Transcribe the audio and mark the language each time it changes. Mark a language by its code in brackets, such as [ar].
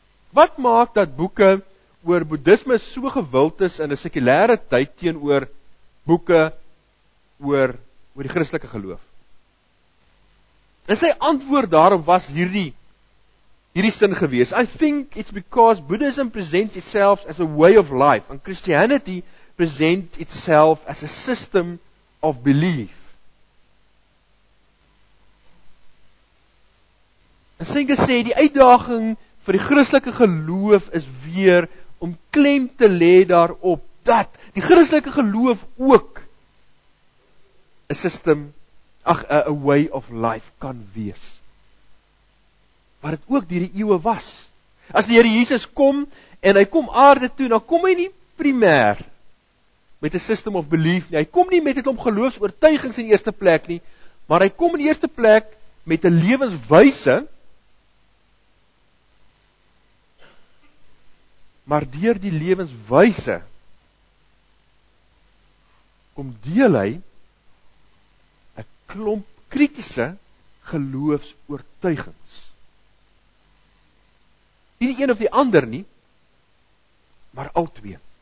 [af] Wat maak dat boeke oor boeddhisme so gewild is in 'n sekulêre tyd teenoor boeke oor die Christelike geloof? En sy antwoord daarop was hierdie sin gewees. [en] I think it's because Buddhism presents itself as a way of life and Christianity presents itself as a system of belief. [af] En Senge sê die uitdaging vir die Christelike geloof is weer om klem te lê daarop dat die Christelike geloof ook 'n system, [en] a way of life [af] kan wees. Wat het ook deur die eeue was. As die Here Jesus kom en hy kom aarde toe, dan kom hy nie primêr met 'n [en] system of belief [af] nie. Hy kom nie met 'n klomp geloofs-oortuigings in eerste plek nie, maar hy kom in eerste plek met 'n lewenswyse. Maar deur die lewenswyse kom deel hy 'n klomp kritiese geloofs-oortuigings. Nie die een of die ander nie, maar al twee.